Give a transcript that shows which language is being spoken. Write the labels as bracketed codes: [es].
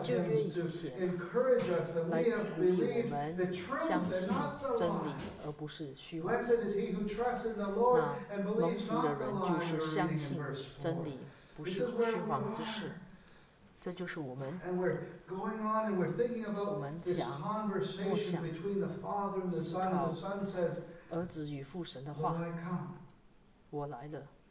[zh] 旧约已经写了，来鼓励我们相信真理，而不是虚幻。相信真理，而不是虚幻。 [en] Blessed is he who trusts in the Lord and believes not the lie. [zh] 就是相信真理，不是虚幻之事。这就是我们，我们讲默想思考儿子与父神的话，我来了。